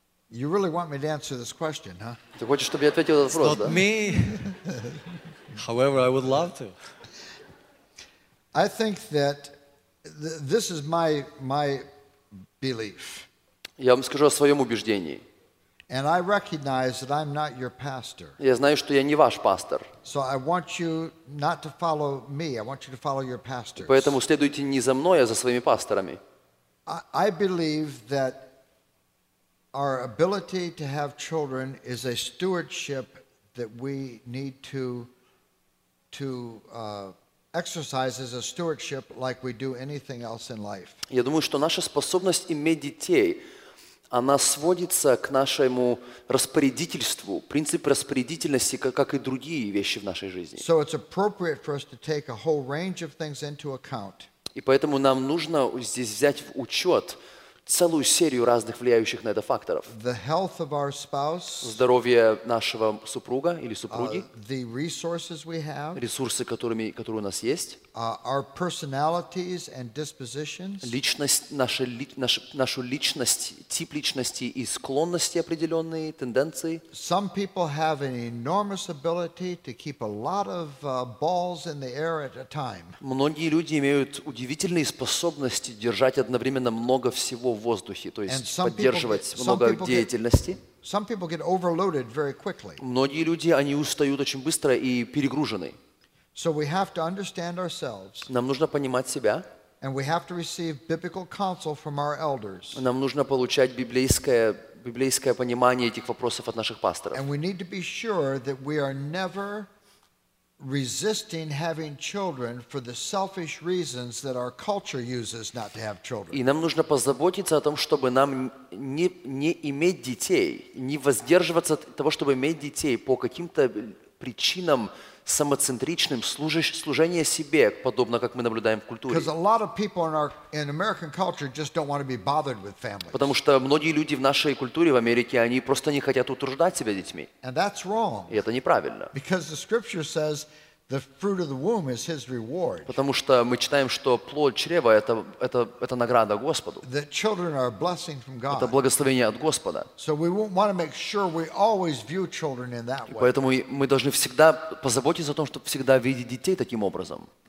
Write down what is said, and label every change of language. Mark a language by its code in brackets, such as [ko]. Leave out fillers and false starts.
[en] You really want me to answer this question, huh? [ru] Ты хочешь, чтобы я ответил этот вопрос, да? [en] Not me. However, I would love to. I think that this is my belief. [ru] Я вам скажу о своем убеждении. [en] And I recognize that I'm not your pastor. [ru] Я знаю, что я не ваш пастор. [en] So I want you not to follow me. I want you to follow your pastors. [ru] Поэтому следуйте не за мной, а за своими пасторами. [en] I believe that our ability to have children is a stewardship that we need to exercise as a stewardship like we do anything else in life. [ru] Я думаю, что наша способность иметь детей, она сводится к нашему распорядительству, принцип распорядительности, как и другие вещи в нашей жизни. [en] So it's appropriate for us to take a whole range of things into account. [ru] И поэтому нам нужно здесь взять в учет целую серию разных влияющих на это факторов. [en] The health of our spouse, [ru] здоровье нашего супруга или супруги, [en] the resources we have, [ru] ресурсы, которые у нас есть, [en] our personalities and dispositions, [ru] личность, нашу личность, тип личности и склонности определенные, тенденции. [en] Some people have an enormous ability to keep a lot of balls in the air at a time. [ru] Многие люди имеют удивительные способности держать одновременно много всего в воздухе, то есть поддерживать много деятельности. [en] Some people get overloaded very quickly. [ru] Многие люди, они устают очень быстро и перегружены. [en] So we have to understand ourselves. [ru] Нам нужно понимать себя. [en] And we have to receive biblical counsel from our elders. [ru] Нам нужно получать библейское понимание этих вопросов от наших пасторов. [en] And we need to be sure that we are never resisting having children for the selfish reasons that our culture uses not to have children. [ru] И нам нужно позаботиться о том, чтобы нам не иметь детей, не воздерживаться от того, чтобы иметь детей по каким-то причинам самоцентричным, служение себе, подобно как мы наблюдаем в культуре. [en] Because a lot of people in American culture just don't want to be bothered with families. [ru] Потому что многие люди в нашей культуре в Америке, они просто не хотят утруждать себя детьми. [en] And that's wrong. [ru] И это неправильно. [en] Because the scripture says the fruit of the womb is His reward. [ru] Потому что мы читаем, что плод чрева это награда Господу. [en] That children are a blessing from God. [ru] Это благословение от Господа. [en] So we want to make sure we always view children in that way. [ru] Поэтому мы должны всегда позаботиться о том, чтобы всегда видеть детей таким образом.